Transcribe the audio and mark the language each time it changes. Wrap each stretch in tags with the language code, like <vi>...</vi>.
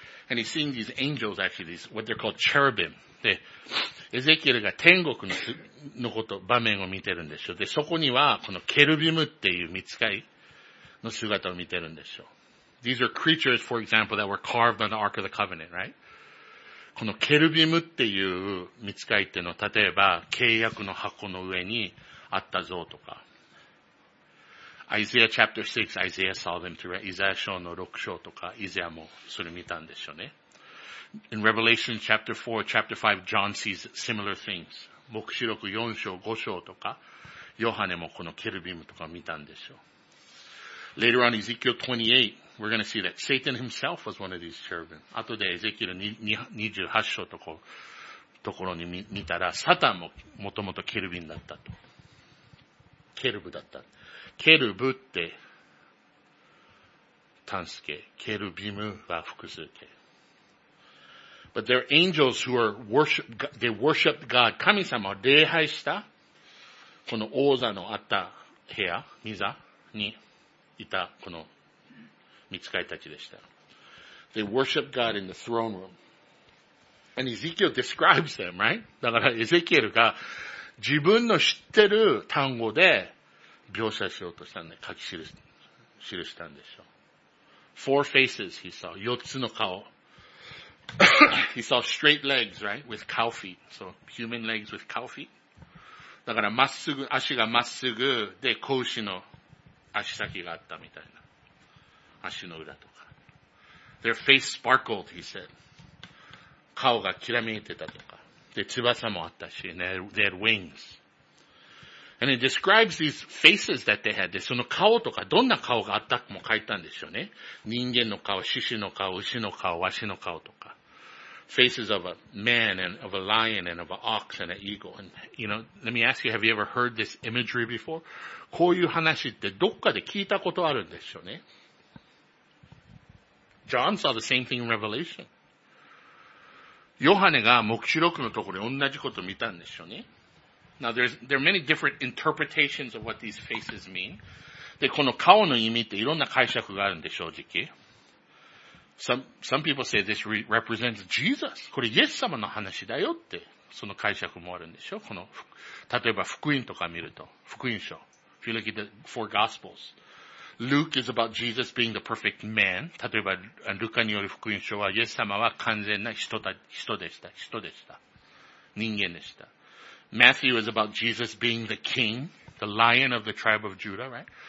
<en>And he's seeing these angels, actually, these, what they're called cherubim.</en> <ja>で、エゼキエルが天国のこと、場面を見てるんでしょう。で、そこには、このケルビムっていう見つかりの姿を見てるんでしょう。</ja> <en>These are creatures, for example, that were carved on the Ark of the Covenant, right?</en> <ja>このケルビムっていう見つかりっていうのは、例えば、契約の箱の上にあったぞとか。</ja> <en>Isaiah chapter 6, Isaiah saw them through,</en> <ja>イザヤ書の6章とか、イザヤもそれ見たんでしょうね。</ja> <en>In Revelation chapter 4, chapter 5, John sees similar things.</en> <ja>黙示録4章、5章とか、ヨハネもこのケルビムとか見たんでしょう。</ja> <en>Later on, Ezekiel 28, we're going to see that Satan himself was one of these cherubim.</en> <ja>後でエゼキエル28章とか、ところに 見たら、サタンももともとケルビンだったと。ケルブだった。ケルブって、単数形。ケルビムは複数形。</ja> <en>But they're angels who are worship, they worshiped God.</en> <ja>神様を礼拝した、この王座のあった部屋、御座にいた、この御使いたちでした。</ja> <en>They worshiped God in the throne room. And Ezekiel describes them, right?</en> <ja>だからエゼキエルが自分の知ってる単語で描写しようとしたんで、書き記したんでしょう。</ja> <en>Four faces, he saw.</en> <ja>四つの顔。</ja> <en>He saw straight legs, right? With cow feet. So, human legs with cow feet.</en> <ja>だから、まっすぐ、足がまっすぐで、子牛の足先があったみたいな。足の裏とか。</ja> <en>Their face sparkled, he said.</en> <ja>顔がきらめいてたとか。で、翼もあったし、ね、</ja> <en>they had wings. And it describes these faces that they had.</en> <ja>で、その顔とか、どんな顔があったかも書いたんでしょうね。人間の顔、獅子の顔、牛の顔、ワシの顔とか。</ja> <en>Faces of a man and of a lion and of an ox and an eagle. And, you know, let me ask you, have you ever heard this imagery before?</en> <ja>こういう話ってどっかで聞いたことあるんでしょうね。</ja> <en>John saw the same thing in Revelation.</en> <ja>ヨハネが黙示録のところで同じこと見たんでしょうね。</ja> <en>Now, there are many different interpretations of what these faces mean.</en> <ja>で、この顔の意味っていろんな解釈があるんで、正直。</ja> <en>Some people say this represents Jesus.</en> <ja>これイエス様の話だよって、その解釈もあるんでしょ。この、例えば福音とか見ると、福音書。</ja> <en>If you look at the four gospels. Luke is about Jesus being the perfect man.</en> <ja>例えば、ルカによる福音書は、イエス様は完全な人でした。人でした。人間でした。</ja> <en>Matthew is about Jesus being the king, the lion of the tribe of Judah, right?</en>